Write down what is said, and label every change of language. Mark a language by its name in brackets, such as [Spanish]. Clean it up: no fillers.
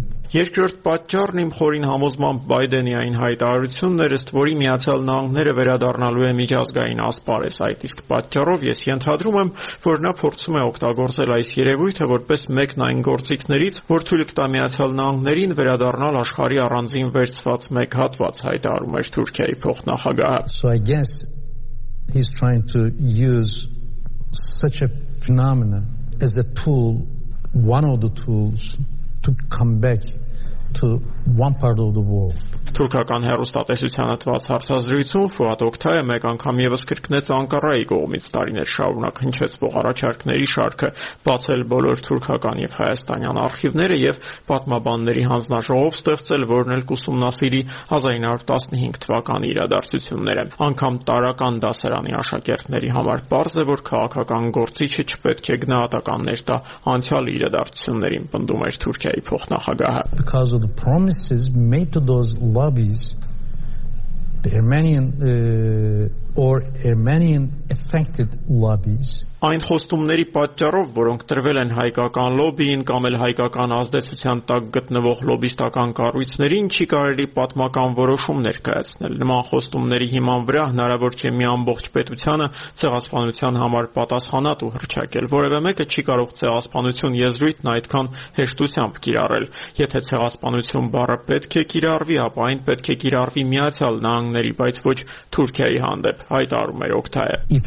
[Armenian] Երկրորդ պատճառն իմ խորին համոզմամբ Բայդենի այն հայտարարությունն էր, ըստ որի Միացյալ Նահանգները վերադառնալու է միջազգային ասպարես, այդ իսկ պատճառով ես ենթադրում եմ, որ նա փորձում է օգտագործել այս երևույթը որպես մեկն այն գործիքներից, որ թույլ կտա Միացյալ Նահանգներին վերադառնալ աշխարհի առանձին վերցված մեկ հատված, հայտարարում էր Թուրքիայի փոխնախագահը. [English] So I guess he's trying to use such a phenomenon as a tool, one of the tools to come back to one part of the world. [Armenian] Թուրքական հեռուստատեսության հատված հարցազրույցում Ֆուադ Օգթայը մեկ անգամ եւս կրկնեց Անկարայի կողմից տարիներ շարունակ հնչեցվող առաջարկների շարքը, բացել բոլոր թուրքական եւ հայաստանյան արխիվները եւ պատմաբանների հանձնաժողով ստեղծել, որն էլ կուսումնասիրի 1915 թվականի իրադարձությունները։ Անգամ տարական դասարանի աշակերտների համար պարզ է, որ քաղաքական գործիչը չպետք է գնահատականներ տա անցյալի իրադարձություններին, պնդում էր Թուրքիայի փոխնախագահը։ [English] Lobbies, the Armenian or Armenian affected lobbies. [Armenian] Այն խոստումների պատճառով, որոնք տրվել են հայկական լոբիին կամ էլ հայկական ազդեցության տակ գտնվող լոբիստական կառույցներին, չի կարելի պատմական որոշում ներկայացնել։ Նման խոստումների հիման վրա հնարավոր չէ մի ամբողջ պետությանը ցեղասպանության համար պատասխանատու հռչակել։ Որևէ մեկը չի կարող ցեղասպանություն եզրույթն այդքան հեշտությամբ կիրառել։ Եթե ցեղասպանություն բառը պետք է կիրառվի, ապա այն պետք է կիրառվի Միացյալ Նահանգների, բայց ոչ Թուրքիայի հանդեպ, հայտարարում էր Օգթայը։